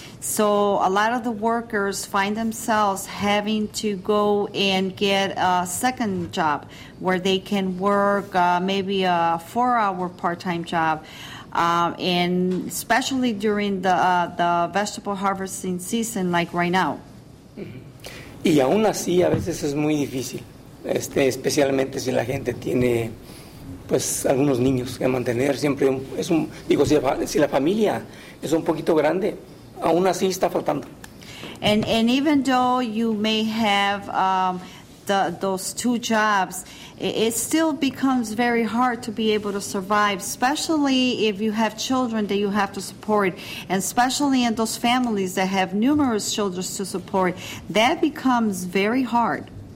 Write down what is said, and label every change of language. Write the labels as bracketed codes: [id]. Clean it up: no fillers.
[en] So a lot of the workers find themselves having to go and get a second job where they can work maybe a 4-hour part-time job. And especially during the vegetable harvesting season like right now. [es] Y aún así a veces es muy difícil, especialmente si la gente tiene pues algunos niños que mantener. Siempre si la familia es un poquito grande, aún así está faltando. [en] And even though you may have those two jobs, it still becomes very hard to be able to survive, especially if you have children that you have to support, and especially in those families that have numerous children to support, that becomes very hard.